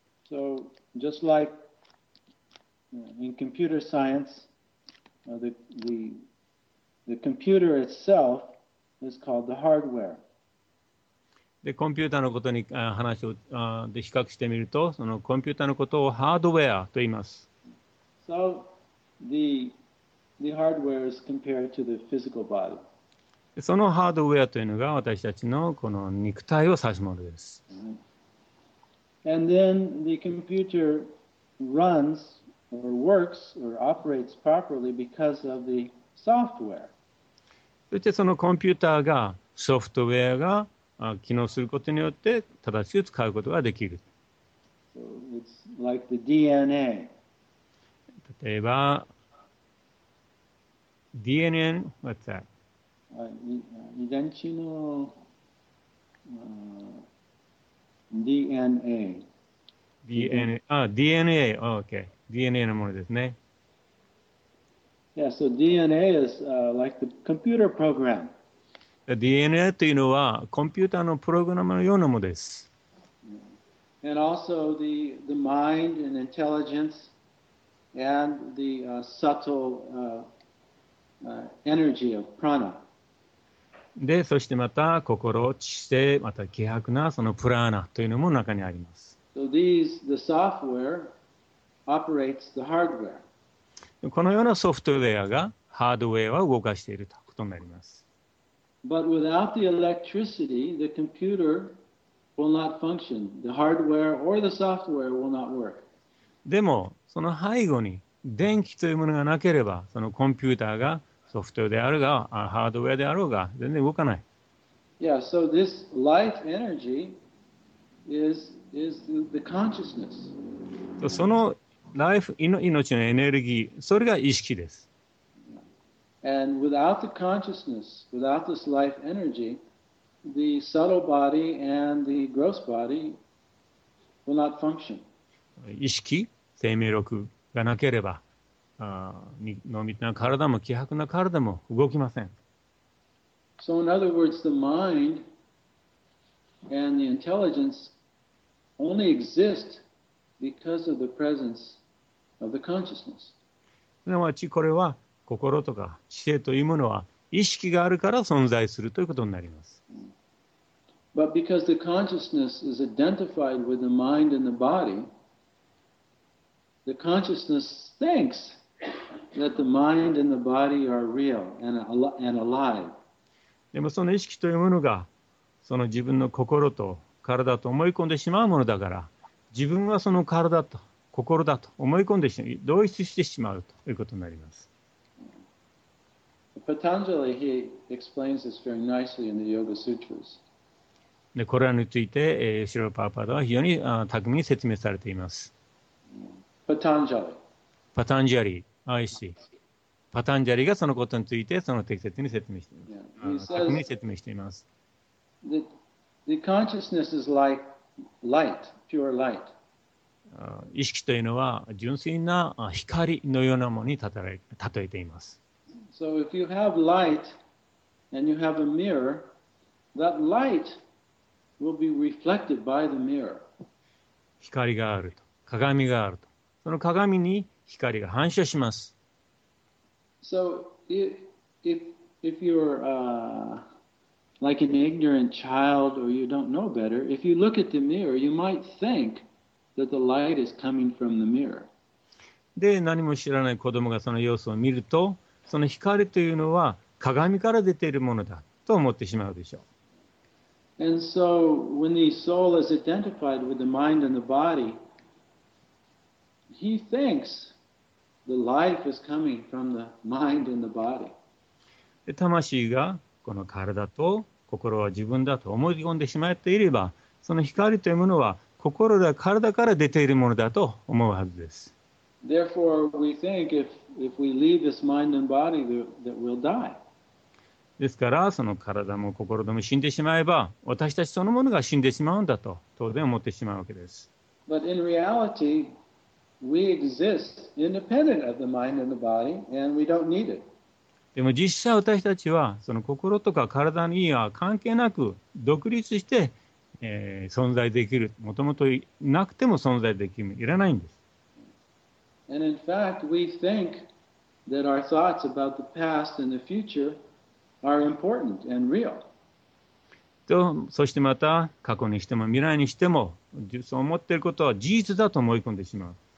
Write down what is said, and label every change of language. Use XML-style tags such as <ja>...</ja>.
<en>So just like in computer science, the computer itself is called the hardware.</en> <ja>でコンピューターのことに話をで比較してみると、そのコンピューターのことをハードウェアと言います。</ja> <en>So, the hardware is compared to the physical body.</en> <ja>そのハードウェアというのが私たちのこの肉体を指すものです。</ja> <en>And then the computer runs or works or operates properly because of the software.</en> <ja>そしてそのコンピューターが、ソフトウェアが、機能することによって正しく使うことができる。</ja> <en>So it's like the DNA.</en> <ja>例えば</ja> <en>DNA, what's that?</en> <ja>遺伝子の DNA. DNA, DNA, okay. DNA のものですね。</ja> <en>Yeah, so DNA is like the computer program.</en> <ja>DNA というのはコンピューターのプログラムのようなものです。</ja> <en>And also the mind and intelligence and the subtle energy of prana.</en> <ja>で、そしてまた心、知性、また希薄なそのプラーナというのも中にあります。</ja> <en>So these, the software operates the hardware.</en> <ja>このようなソフトウェアがハードウェアを動かしているということになります。</ja> <en>But without the electricity, the computer will not function. The hardware or the software will not work.</en> <ja>でも、その背後に電気というものがなければ、そのコンピューターがソフトウェアであるが、ハードウェアであろうが、全然動かない。</ja> <en>Yeah, so this life energy is the consciousness.</en> <ja>そのライフ、命のエネルギー、それが意識です。</ja> <en>And without the consciousness, without this life energy, the subtle body and the gross body will not function.</en> <ja>意識、生命力がなければ、濃密な体も希薄な体も動きません。</ja> <en>So in other words, the mind and the intelligence only exist because of the presence of the consciousness.</en> <ja>すなわちこれは心とか知性というものは意識があるから存在するということになります。</ja> <en>But because the consciousness is identified with the mind and the body, the consciousness thinks that the mind and the body are real and alive.</en> <ja>でもその意識というものが、その自分の心と体と思い込んでしまうものだから、自分はその体と心だと思い込んでしまう、同一してしまうということになります。</ja> <en>Patanjali, he explains this very nicely in the Yoga Sutras.</en> <ja>でこれらについて、シロパーパーダは非常に巧みに説明されています。 Patanjali。 Patanjali、愛し。Patanjali がそのことについてその適切に説明しています。巧みに説明しています。</ja> <en>The consciousness is like light, pure light.</en> <ja>意識というのは純粋な光のようなものに例えています。</ja> <en>So if you have light and you have a mirror, that light will be reflected by the mirror.</en> <ja>光があると、鏡があると、その鏡に光が反射します。</ja> <en>So if you're like an ignorant child or you don't know better, if you look at the mirror, you might think that the light is coming from the mirror.</en> <ja>で、何も知らない子供がその様子を見ると、その光というのは鏡から出ているものだと思ってしまうでしょう。</ja> <en>And so when the soul is identified with the mind and the body, he thinks the life is coming from the mind and the body.</en> <ja>で、魂がこの体と心は自分だと思い込んでしまっていれば、その光というものは心が体から出ているものだと思うはずです。</ja> <en>Therefore, we think if we leave this mind and body, that we'll die.</en> <ja>ですから、その体も心でも死んでしまえば、私たちそのものが死んでしまうんだと当然思ってしまうわけです。</ja> <en>But in reality, we exist independent of the mind and the body, and we don't need it.</en> <ja>でも実際私たちはその心とか体には関係なく独立して、存在できる。もともとなくても存在できる。いらないんです。</ja> <en>And in fact, we think that our thoughts about the past and the future are important and real.</en> <ja>と、そしてまた、過去にしても未来にしても、そう思っていることは事実だと思い込んでしまう。</ja>